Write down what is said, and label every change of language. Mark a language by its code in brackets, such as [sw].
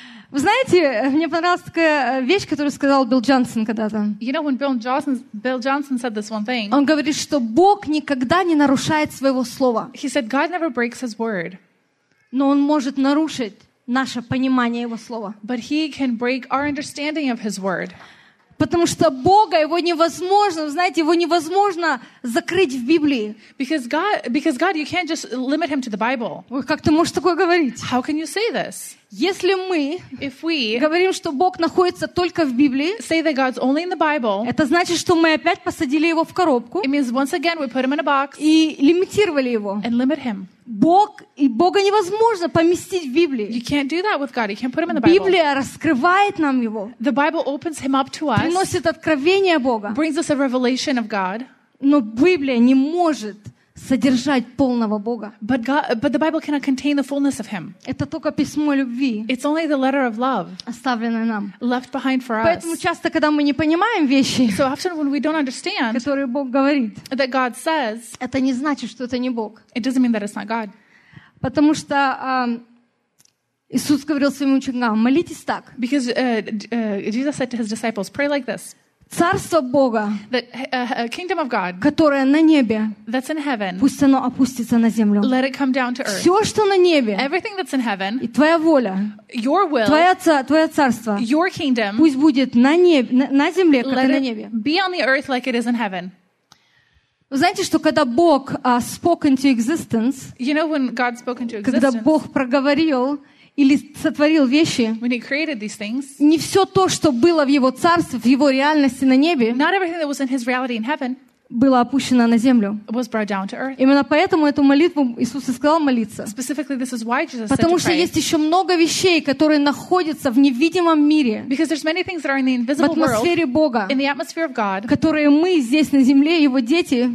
[ru] Вы знаете, мне понравилась такая вещь, которую сказал Билл Джонсон когда-то. [en] You know, when Bill Johnson said this one thing, [ru] он говорит, что Бог никогда не нарушает своего слова. [en] He said, God never breaks his word. [ru] Но он может нарушить наше понимание его слова. [en] But he can break our understanding of his word. [ru] Потому что Бога его невозможно, знаете, его невозможно закрыть в Библии. [en] Because God, you can't just limit him to the Bible. [ru] Как ты можешь такое говорить? [en] How can you say this? [ru] Если мы [en] if we [ru] говорим, что Бог находится только в Библии, [en] say that God's only in the Bible, [ru] это значит, что мы опять посадили его в коробку. [en] It means once again we put him in a box. [ru] И лимитировали его. [en] And limit him. [ru] Бог и Бога невозможно поместить в Библии. [en] You can't do that with God. You can't put him in the Bible. [ru] Библия раскрывает нам его. [en] The Bible opens him up to us. [ru] Приносит откровение Бога. [en] Brings us a revelation of God. [ru] Но Библия не может содержать полного Бога. [en] But God, but the Bible cannot contain the fullness of Him. [ru] Это только письмо любви. [en] It's only the letter of love. [ru] Оставленное нам. [en] Left behind for us. [ru] Поэтому часто, когда мы не понимаем вещи, [en] so often when we don't understand, [ru] которые Бог говорит, [en] that God says, [ru] это не значит, что это не Бог. [en] It doesn't mean that it's not God. [ru] Потому что Иисус говорил своим ученикам: молитесь так. [en] Because Jesus said to his disciples, pray like this. [ru] Царство Бога, [en] kingdom of God, [ru] которое на небе, [en] that's in heaven, [ru] пусть оно опустится на землю. [en] Let it come down to earth. [ru] Все, что на небе, [en] everything that's in heaven, [ru] и твоя воля, [en] your will, [ru] твое царство, [en] your kingdom, [ru] пусть будет на небе, на земле, как [en] let [ru] и на небе. [en] Be on the earth like it is in heaven. [ru] Вы знаете, что когда Бог [en] spoke into existence, you know, when God spoke into existence, [ru] когда Бог проговорил или сотворил вещи, [en] when he created these things, [ru] не все то, что было в его царстве, в его реальности на небе, [en] not everything that was in his reality in heaven, [ru] было опущено на землю. [en] Was brought down to earth. [ru] Именно поэтому эту молитву Иисус и сказал молиться. [en] Specifically, this is why Jesus [ru] потому [en] said to pray. [ru] Что есть еще много вещей, которые находятся в невидимом мире, [en] because there's many things that are in the invisible [ru] в атмосфере Бога, [en] in the atmosphere of God, [ru] которые мы здесь на земле, Его дети,